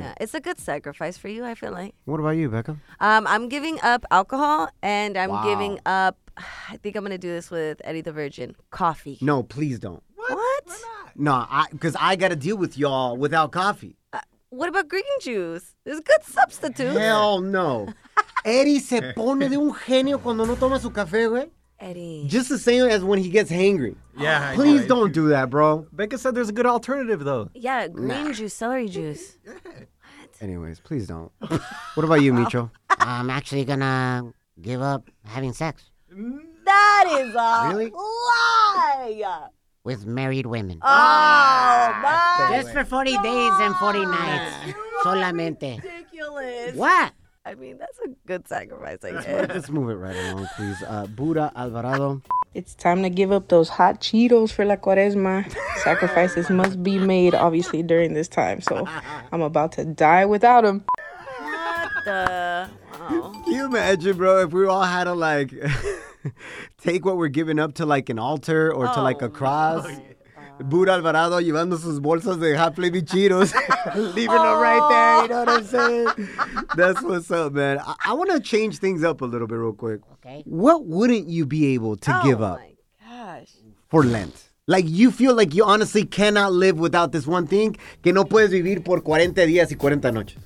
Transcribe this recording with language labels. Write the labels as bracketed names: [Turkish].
[English] Yeah, it's a good sacrifice for you, I feel like. What about you, Becca? I'm giving up alcohol, and I'm giving up, I think I'm going to do this with Eddie the Virgin, coffee. No, please don't. What? Why not? No, because I got to deal with y'all without coffee. What about green juice? It's a good substitute. Hell no. [Spanish] Eddie se pone de un genio cuando no toma su café, güey. [English] Eddie. Just the same as when he gets hangry. Yeah. Please don't do that, bro. Becca said there's a good alternative, though. Yeah, green juice, celery juice. What? Anyways, please don't. What about you, Micho? I'm actually gonna give up having sex. That is a lie! With married women. Oh, my just for 40 God. Days and 40 nights. Solamente. Ridiculous. What? I mean, that's a good sacrifice, I guess. Let's move it right along, please. Buda Alvarado. It's time to give up those hot Cheetos for la cuaresma. Sacrifices must be made, obviously, during this time. So I'm about to die without them. What the? Oh. Can you imagine, bro, if we all had to, like, take what we're giving up to, like, an altar or to, like, a cross? Oh, yeah. [Spanish] Buda Alvarado llevando sus bolsas de Hot Flaming Cheetos. [English] Leaving them right there, you know what I'm saying? That's what's up, man. I want to change things up a little bit real quick. Okay. What wouldn't you be able to give up for Lent? Like, you feel like you honestly cannot live without this one thing. [Spanish] Que no puedes vivir por 40 días y 40 noches.